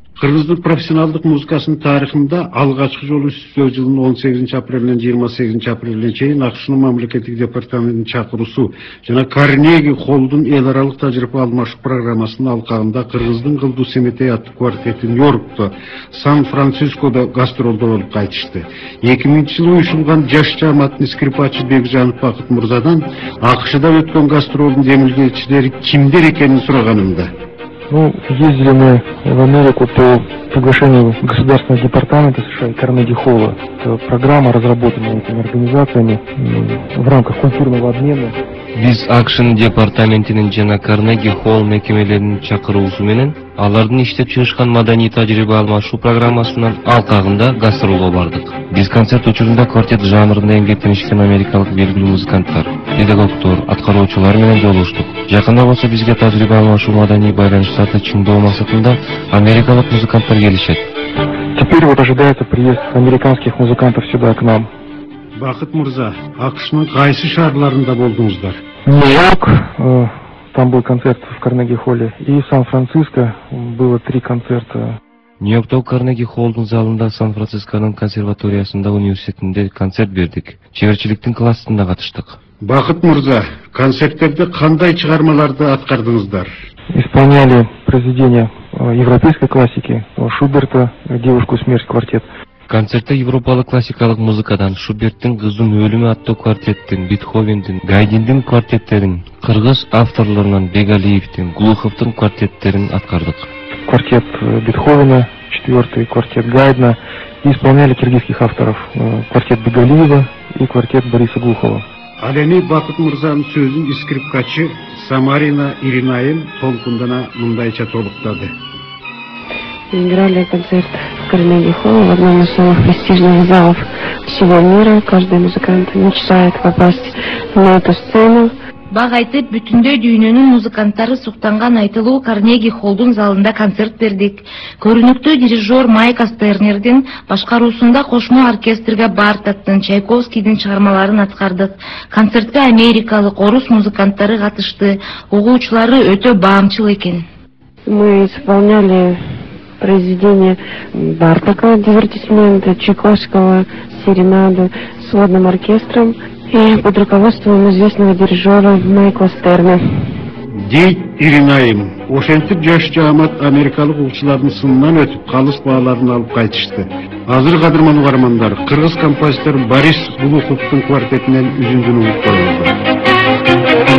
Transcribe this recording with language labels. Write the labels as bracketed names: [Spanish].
[Kyrgyz] Кыргыздын профессионалдык музыкасынын тарыхында алгачкы жолу сөз жылынын 18 апрелден 28 апрелден чейин АКШнын мамлекеттик департаментинин чакыруусу жана Карнеги холдун эл аралык тажрыйба алмашуу программасынын алкагында кыргыздын кылдуу Семетей аттуу квартети Нью-Йоркто, Сан-Францискодо гастролдор болуп кайтышты. 2000-жылы уюшулган жаш жамааттын скрипачы Бекжанов Бакыт мырзадан АКШда өткөн гастролдун демилгечилери кимдер экенин сураганымда: [Russian] Ну, ездили мы в Америку по приглашению Государственного департамента США и Карнеги Холла. Это программа, разработанная этими организациями в рамках культурного обмена. [Kyrgyz] Биз АКШ'ын департаментинин жана Карнеги Холл мекемелеринин чакыруусу менен алардын иштеп чыгышкан маданий тажрыйба алмашуу программасынын алкагында гастролго бардык. Биз концерт учурунда квартет жанрында эмгектенишкен америкалык белгилүү музыканттар, педагогтор, аткаруучулар менен жолуштук. Жакында болсо бизге тажрыйба алмашуу маданий байланыштарды чыңдоо максатында америкалык музыканттар келишет. [Russian] Теперь вот ожидается приезд американских музыкантов сюда к нам. [Kyrgyz] Бакыт мырза, АКШ'ның кайсы шаарларында болдуңуздар? [Russian] Нью-Йорк, там был концерт в Карнеги Холле, и Сан-Франциско, было 3 концерта. [Kyrgyz] Нью-Йоркто Карнеги Холлдун залында Сан-Францисконун консерваториясында университетинде концерт бердик. Чеберчиликтин классында катыштык. Бакыт мырза, концерттерде кандай чыгармаларды аткардыңыздар? [Russian] Исполняли произведения европейской классики Шуберта, Девушку смерть квартет. [Kyrgyz] Концертте европалык классикалык музыкадан Шуберттин Кыздын өлүмү аттуу квартеттин, Бетховендин, Гайдиндин квартеттерин, кыргыз авторлорунан Бегалиевдин, Глуховдун квартеттерин аткардык. [Russian] Квартет Бетховена, 4-й квартет Гайдна и исполняли киргизских авторов квартет Бегалиева и квартет Бориса Глухова. [Kyrgyz] Ал эми Бакыт мырзанын сөзүн скрипкачы Самарина Иринаев толкундана мындайча толуктады. [Russian] Играли концерт в Карнеги Холл, в одном из самых престижных залов всего мира. Каждый музыкант мечтает попасть на эту сцену. [Kyrgyz] Багайты бүтүндөй дүйнөнүн музыканттары суктанган айтылуу Карнеги Холлдун залында концерт бердик. Көрүнүктүү дирижер Майк Астернердин башкаруусунда кошмо оркестрге Бартоктун, Чайковскийдин чыгармаларын аткардык. Концертке америкалык, орус музыканттары катышты. Угуучулары өтө баамчыл экен. [Russian] Мы исполняли произведения Бартока, дивертисмента, Чайковского, серенады с водным оркестром и под руководством известного дирижера Майкла Стерна. [Kyrgyz] Дейт Иринаим, ошентип жаш жаамат америкалык уучулардын сынынан өтүп калыс бааларын алып кайтышты. Азыр кадырман угармандар, кыргыз композитор Борис Глуховдун квартетинен үзүндүнү угуп коюңуздар.